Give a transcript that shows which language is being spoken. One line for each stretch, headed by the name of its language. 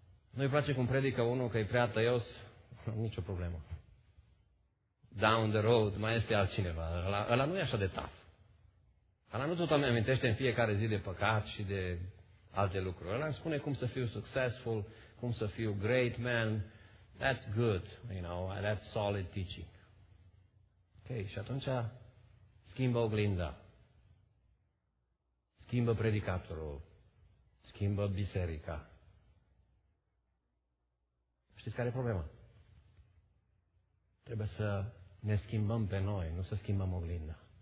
Romanian: Nu-i place cum predică unul că e prea tăios? Nicio problemă.
English: Down the road,
Romanian: mai este altcineva. Ăla nu e așa de tough. Ăla nu tot îmi amintește în fiecare zi de păcat și de alte lucruri. Ăla îmi spune cum să fiu successful, cum să fiu
English: great man. That's good, you know, that's solid teaching.
Romanian: Ok, și atunci schimbă oglinda. Schimbă predicatorul. Schimbă biserica. Știți care e problema? Trebuie să ne schimbăm pe noi, nu să schimbăm oglinda.